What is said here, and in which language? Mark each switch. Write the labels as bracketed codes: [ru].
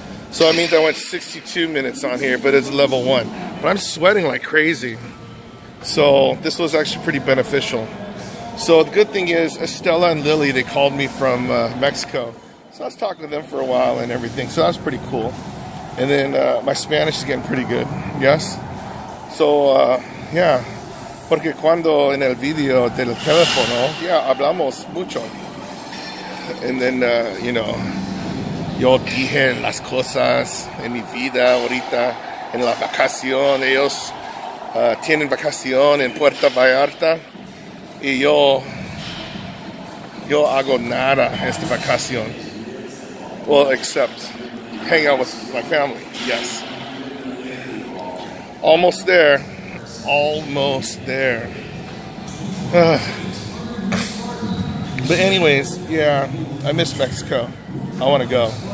[en] So that means I went 62 minutes on here, but it's level one. But I'm sweating like crazy. So this was actually pretty beneficial. So the good thing is, Estella and Lily, they called me from Mexico. So I was talking to them for a while and everything. So that was pretty cool. And then my Spanish is getting pretty good. Yes? So, yeah. [es] Porque cuando en el video del teléfono, yeah, hablamos mucho. [en] And then, you know, [es] yo dije las cosas en mi vida ahorita, en la vacación. Ellos tienen vacación en Puerto Vallarta. Y yo hago nada esta vacación. [en] Well, except hang out with my family. Yes. Almost there. Almost there. But anyways, yeah, I miss Mexico. I want to go.